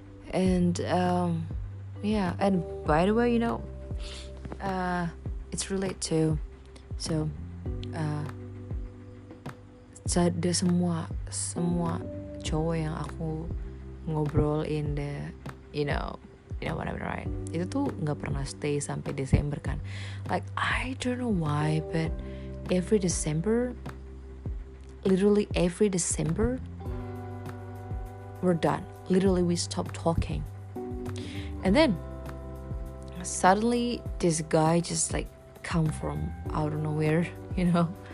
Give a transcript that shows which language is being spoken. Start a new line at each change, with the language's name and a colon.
English: And yeah. And by the way, you know, it's related to, so the
Indonesian: semua cowok yang aku ngobrol
English: in the, you know what I mean, right?
Indonesian: Itu tuh gak pernah stay sampai Desember kan.
English: Like, I don't know why, but every December, literally every December, we're done. Literally, we stop talking. And then suddenly, this guy just like come from out of nowhere, you know.